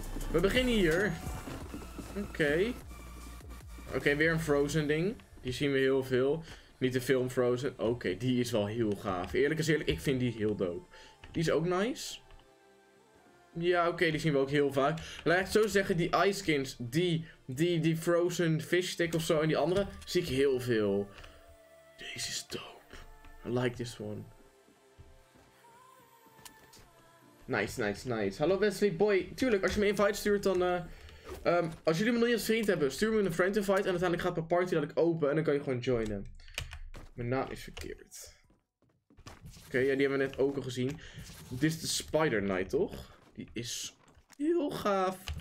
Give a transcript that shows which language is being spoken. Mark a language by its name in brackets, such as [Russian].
[Dutch] We beginnen hier. Oké, weer een Frozen ding. Die zien we heel veel. Niet de film Frozen. Oké, die is wel heel gaaf. Eerlijk is eerlijk, ik vind die heel dope. Die is ook nice. Ja, oké, die zien we ook heel vaak. Laat ik het zo zeggen, die Ice Skins. Die Frozen Fish Stick of zo en die andere. Zie ik heel veel. Deze is dope. [English] I like this one. [Dutch] Nice, nice, nice. Hallo Wesley Boy. Tuurlijk, als je me een invite stuurt, dan... als jullie me nog niet als vriend hebben, stuur me een friend invite. En uiteindelijk gaat mijn party dat ik open. En dan kan je gewoon joinen. Mijn naam is verkeerd. Oké, ja, die hebben we net ook al gezien. Dit is de Spider Knight, toch? Die is heel gaaf.